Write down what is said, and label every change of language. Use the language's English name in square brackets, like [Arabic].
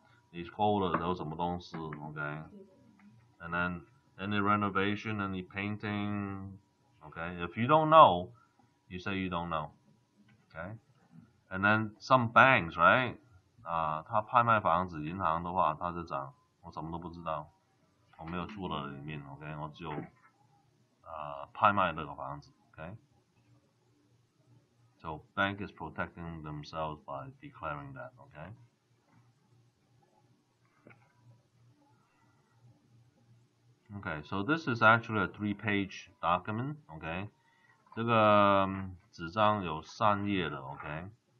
[Chinese] 你抠了都什么东西 ，OK？ [English] And then any renovation, any painting, OK? If you don't know, you say you don't know, OK? And then some banks, right? [Chinese] 啊、他拍卖房子，银行的话，他就讲我什么都不知道，我没有住了里面 ，OK？我只有啊、拍卖那个房子 ，OK？ [English] So bank is protecting themselves by declaring that, OK？ Okay, so this is actually a three-page document, okay? [Chinese] 这个纸张有三页的 okay?